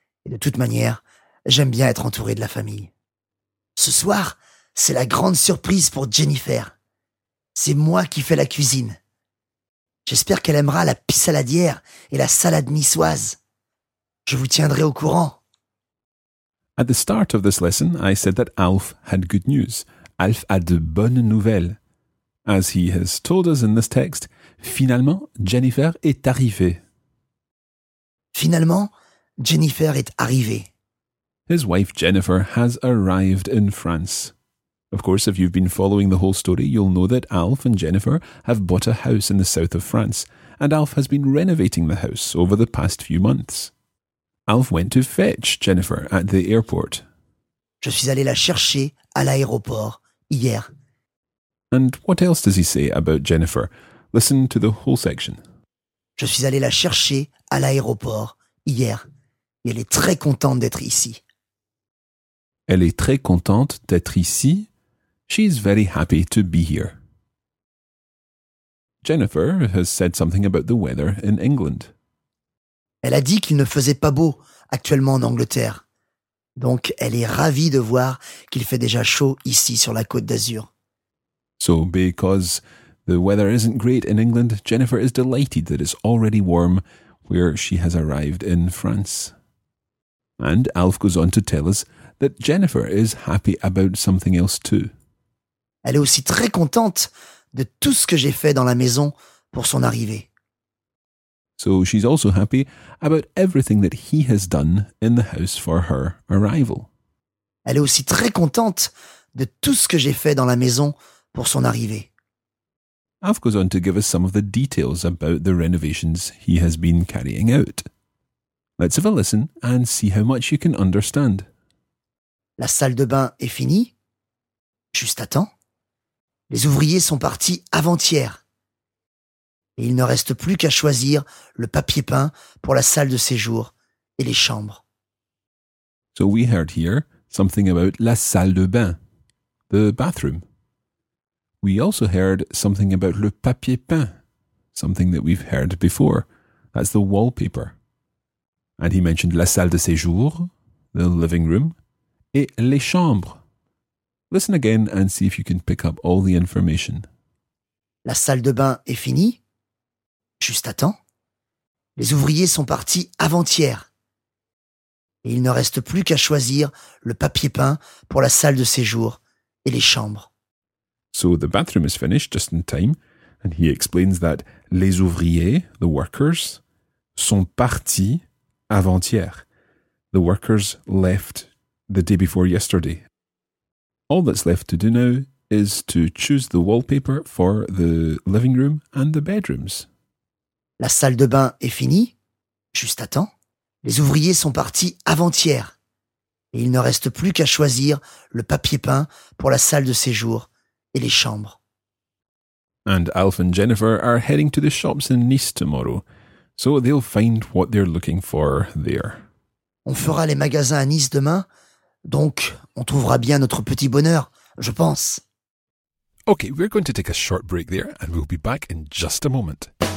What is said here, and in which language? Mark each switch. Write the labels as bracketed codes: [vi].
[fr] Et de toute manière, j'aime bien être entouré de la famille. Ce soir, c'est la grande surprise pour Jennifer. C'est moi qui fais la cuisine. J'espère qu'elle aimera la pissaladière et la salade niçoise. Je vous tiendrai au courant. [en] At the start of this lesson, I said that Alf had good news. [fr] Alf a de bonnes nouvelles. [en] As he has told us in this text, [fr] finalement, Jennifer est arrivée. Finalement, Jennifer est arrivée. [en] His wife Jennifer has arrived in France. Of course, if you've been following the whole story, you'll know that Alf and Jennifer have bought a house in the south of France, and Alf has been renovating the house over the past few months. Alf went to fetch Jennifer at the airport. [fr] Je suis allé la chercher à l'aéroport hier. [en] And what else does he say about Jennifer? Listen to the whole section. [fr] Je suis allé la chercher à l'aéroport hier. Et elle est très contente d'être ici. Elle est très contente d'être ici. [en] She's very happy to be here. Jennifer has said something about the weather in England. [fr] Elle a dit qu'il ne faisait pas beau actuellement en Angleterre. Donc, elle est ravie de voir qu'il fait déjà chaud ici sur la Côte d'Azur. [en] So, because the weather isn't great in England, Jennifer is delighted that it's already warm where she has arrived in France. And Alf goes on to tell us that Jennifer is happy about something else too. [fr] Elle est aussi très contente de tout ce que j'ai fait dans la maison pour son arrivée. [en] So she's also happy about everything that he has done in the house for her arrival. [fr] Elle est aussi très contente de tout ce que j'ai fait dans la maison pour son arrivée. [en] Alf goes on to give us some of the details about the renovations he has been carrying out. Let's have a listen and see how much you can understand. [fr] La salle de bain est finie. Juste à temps. Les ouvriers sont partis avant-hier. Et il ne reste plus qu'à choisir le papier peint pour la salle de séjour et les chambres. [en] So we heard here something about la salle de bain, the bathroom. We also heard something about le papier peint, something that we've heard before. That's the wallpaper. And he mentioned la salle de séjour, the living room, et les chambres. Listen again and see if you can pick up all the information. [fr] La salle de bain est finie. Juste à temps. Les ouvriers sont partis avant-hier. Et il ne reste plus qu'à choisir le papier peint pour la salle de séjour et les chambres. [en] So the bathroom is finished just in time. And he explains that les ouvriers, the workers, [fr] sont partis avant-hier. [en] The workers left the day before yesterday. All that's left to do now is to choose the wallpaper for the living room and the bedrooms. [fr] La salle de bain est finie, juste à temps. Les ouvriers sont partis avant-hier. Et il ne reste plus qu'à choisir le papier peint pour la salle de séjour et les chambres. [en] And Alf and Jennifer are heading to the shops in Nice tomorrow, so they'll find what they're looking for there. [fr] On fera les magasins à Nice demain, donc on trouvera bien notre petit bonheur, je pense. [en] Okay, we're going to take a short break there and we'll be back in just a moment.